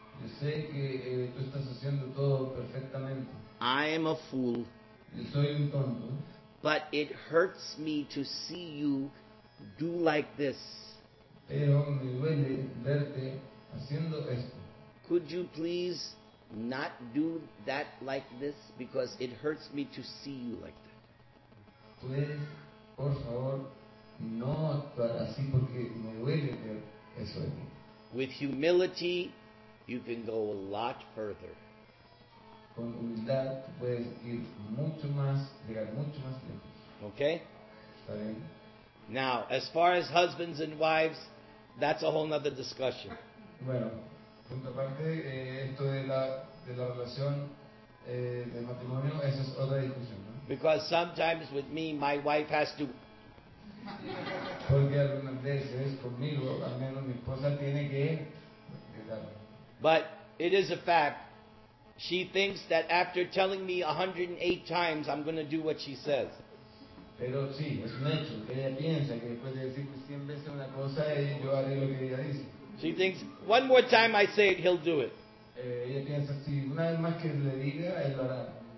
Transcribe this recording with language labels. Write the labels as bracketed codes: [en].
[es] Yo sé que tú estás haciendo todo perfectamente. [en] I am a fool. [es] Yo soy un tonto. [en] But it hurts me to see you do like this. [es] Pero me duele verte haciendo esto. [en] Could you please not do that like this? Because it hurts me to see you like that. [es] ¿Puedes, por favor, no actuar así porque me duele ver eso de mí? [en] With humility, you can go a lot further. [es] Con humildad, puedes ir mucho más, llegar mucho más lejos. [en] Okay? [es] ¿Está bien? [en] Now, as far as husbands and wives, that's a whole other discussion. [es] Bueno, punto aparte, esto de la relación de matrimonio, esa es otra discusión, ¿no? [en] Because sometimes with me, my wife has to. [es] Porque algunas veces conmigo, al menos mi esposa tiene que. [en] But it is a fact. She thinks that after telling me 108 times, I'm going to do what she says. [es] Pero sí, es un hecho. Ella piensa que después de decir 100 veces una cosa, yo haré lo que ella dice. [en] She thinks, one more time I say it, he'll do it. [es] Ella piensa, sí, una vez más que le diga, él lo hará.